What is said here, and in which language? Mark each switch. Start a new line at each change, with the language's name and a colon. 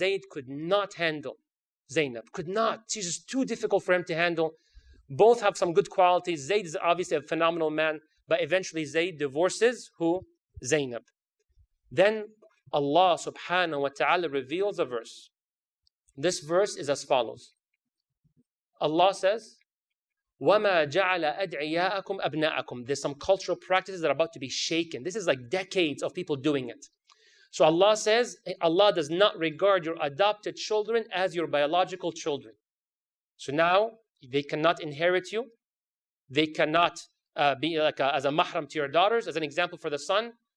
English: Zayd could not handle Zaynab. Could not. She's just too difficult for him to handle. Both have some good qualities. Zayd is obviously a phenomenal man. But eventually Zayd divorces who? Zaynab. Then Allah subhanahu wa ta'ala reveals a verse. This verse is as follows. Allah says,
Arabic: وَمَا جَعَلَ أَدْعِيَاءَكُمْ أَبْنَاءَكُمْ.
English: There's some cultural practices that are about to be shaken. This is like decades of people doing it. So Allah says, Allah does not regard your adopted children as your biological children. So now, they cannot inherit you. They cannot be like as a mahram to your daughters, as an example for the son.